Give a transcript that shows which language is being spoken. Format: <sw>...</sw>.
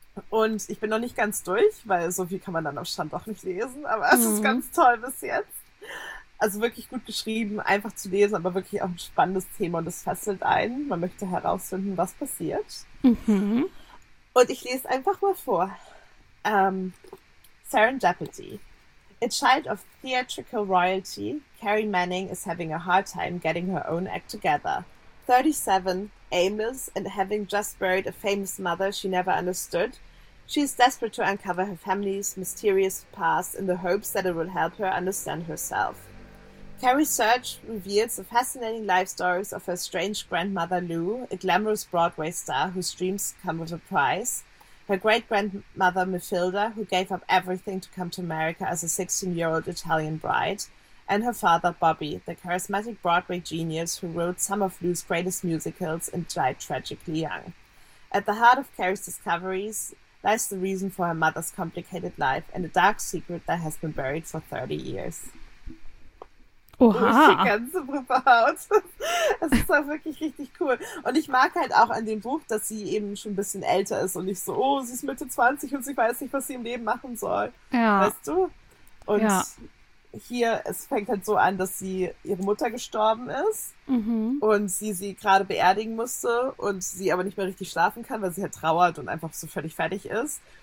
<de>Und ich bin noch nicht ganz durch, weil so viel kann man dann am Stand auch nicht lesen. Aber es ist ganz toll bis jetzt. Also wirklich gut geschrieben, einfach zu lesen, aber wirklich auch ein spannendes Thema und es fesselt einen. Man möchte herausfinden, was passiert. Und ich lese einfach mal vor.</de> <en>Serendipity. A child of theatrical royalty, Carrie Manning is having a hard time getting her own act together. 37, aimless, and having just buried a famous mother she never understood, she is desperate to uncover her family's mysterious past in the hopes that it will help her understand herself. Carrie's search reveals the fascinating life stories of her strange grandmother Lou, a glamorous Broadway star whose dreams come with a price, her great-grandmother Mathilda, who gave up everything to come to America as a 16-year-old Italian bride, and her father Bobby, the charismatic Broadway genius who wrote some of Lou's greatest musicals and died tragically young. At the heart of Carrie's discoveries lies the reason for her mother's complicated life and a dark secret that has been buried for 30 years.</en> <de>Oha. Durch die ganze Puppe haut. Es ist auch wirklich richtig cool. Und ich mag halt auch an dem Buch, dass sie eben schon ein bisschen älter ist und nicht so, oh, sie ist Mitte 20 und sie weiß nicht, was sie im Leben machen soll. Ja. Weißt du? Und ja. Hier, es fängt halt so an, dass sie ihre Mutter gestorben ist und sie gerade beerdigen musste und sie aber nicht mehr richtig schlafen kann, weil sie halt trauert und einfach so völlig fertig ist.</de>